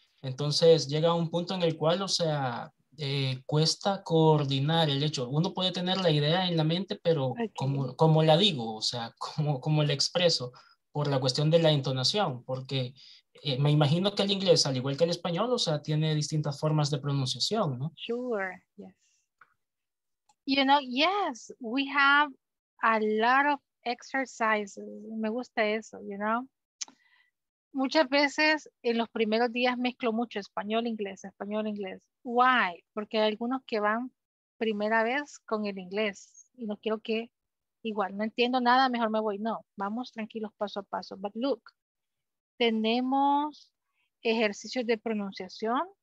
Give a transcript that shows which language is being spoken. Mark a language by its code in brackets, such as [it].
[es] Entonces llega un punto en el cual, o sea, cuesta coordinar el hecho. Uno puede tener la idea en la mente, pero okay, ¿cómo la digo? O sea, ¿cómo la expreso? Por la cuestión de la entonación, porque me imagino que el inglés, al igual que el español, o sea, tiene distintas formas de pronunciación, ¿no? [en] Sure, yes. You know, yes, we have a lot of exercises. [es] Me gusta eso, [en] you know. [es] Muchas veces en los primeros días mezclo mucho español-inglés, español-inglés. [en] Why? [es] Porque hay algunos que van primera vez con el inglés y no quiero que, igual, no entiendo nada, mejor me voy. No, vamos tranquilos paso a paso. [en] But look, [es] tenemos ejercicios de pronunciación.